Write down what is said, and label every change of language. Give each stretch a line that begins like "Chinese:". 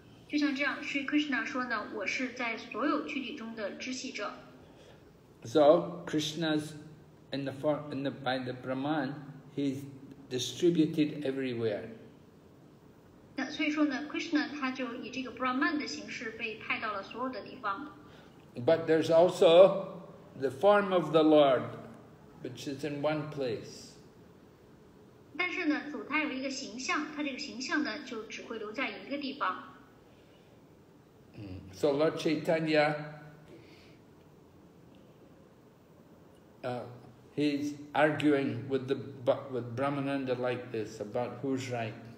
English: So, Krishna's in the form, by the Brahman, he's distributed everywhere.
Chinese: 那所以说呢，Krishna他就以这个Brahman的形式被派到了所有的地方。
English: But there's also the form of the Lord, which is in one place.
Chinese: 但是呢，主他有一个形象，他这个形象呢，就只会留在一个地方。
English: So Lord Chaitanya, he's arguing with the Brahmananda like this about who's right.